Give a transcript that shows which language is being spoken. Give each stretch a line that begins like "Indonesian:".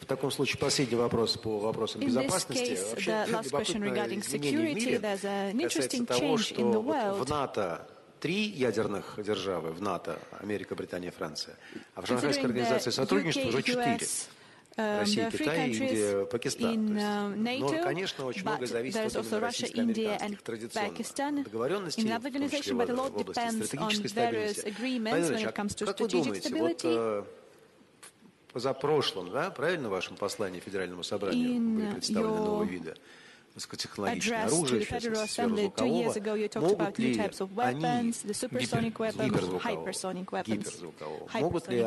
English: In this case, the last question regarding security, there's an interesting change in the world.
Russian: Три ядерных державы в НАТО, Америка, Британия, Франция. А в Шанхайской организации сотрудничества уже четыре. Россия, Китай, Индия, Пакистан. NATO, но, конечно, очень много зависит от Russia, российско-американских традиционных договоренностей, в том числе в области стратегической стабильности. Владимир Ильич, а как вы думаете, вот позапрошлым, да, правильно, вашем послании Федеральному собранию были представлены новые виды?
English: Address to the Federal Assembly 2 years ago, you talked about new types of weapons, the supersonic weapons, hypersonic weapons.